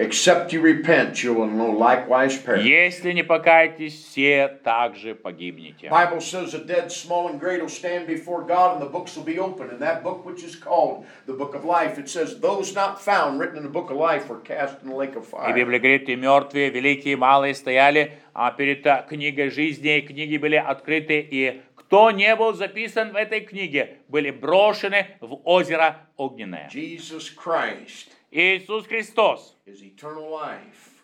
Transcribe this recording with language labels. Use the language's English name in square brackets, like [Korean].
[English] except you repent, you will know likewise perish. [Russian] Если не покаетесь, все также погибнете. [English] Bible says the dead, small and great, will stand before God, and the books will be opened, and that book which is called the book of life. It says those not found written in the book of life were cast in the lake of fire. [Russian] И Библия говорит, и мертвые, великие, малые стояли перед книгой жизни, и книги были открыты, и кто не был записан в этой книге, были брошены в озеро огненное. Иисус Христос —